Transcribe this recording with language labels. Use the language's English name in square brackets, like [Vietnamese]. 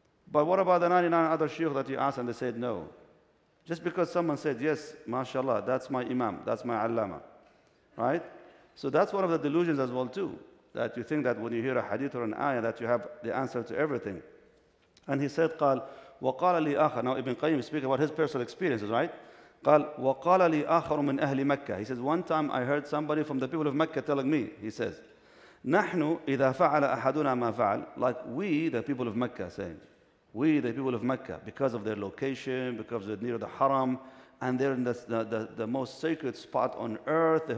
[English] But what about the 99 other sheikh that you asked and they said no? Just because someone said, yes, mashallah, that's my imam, that's my allama, right? So that's one of the delusions as well too, that you think that when you hear a hadith or an ayah that you have the answer to everything. And he said, قال, وقال لي آخر, now Ibn Qayyim is speaking about his personal experiences, right? [Arabic] قال, وقال لي آخر من أهل مكة. [English] He says, one time I heard somebody from the people of Mecca telling me, he says, نحن إذا فعل أحدنا ما فعل, like we, the people of Mecca, saying, we, the people of Mecca, because of their location, because they're near the haram, and they're in the most sacred spot on earth.